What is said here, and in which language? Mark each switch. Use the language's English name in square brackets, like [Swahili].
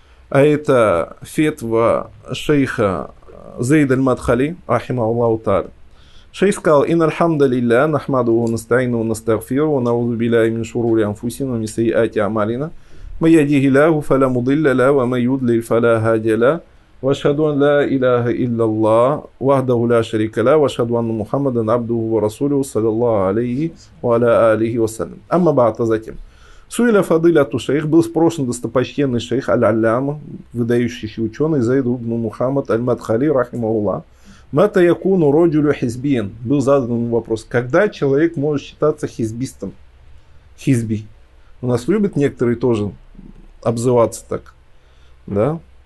[Russian] А это фетва шейха Зейд аль-Мадхали, рахима Аллаху Тааля. Шейх сказал, [Arabic] «Ин аль-хамда лилля, нахмаду ва настаину ва настагфиру, ва наузу билляхи мин шурури анфусина ва мин сайиати а'малина. Ма яхдихи ллаху фала мудилля ля, ва ма юдлил фала хадия ля». وأشهد أن لا إله إلا الله وحده لا شريك له وأشهد أن محمدا عبده ورسوله صلى الله عليه وعلى آله وسلم. أما بعد [Russian] затем. [Arabic] Суиля фадилату шейх, [Russian] был спрошен достопочтенный шейх аль-Аллама, выдающийся ученый Зайд ибн Мухаммад аль-Мадхали рахимахуллах, [Arabic] Мата якуну роджулю хизбиен. [Russian] Был задан вопрос. Когда человек может считаться хизбистом? Хизби. У нас любят некоторые тоже обзываться так. Да?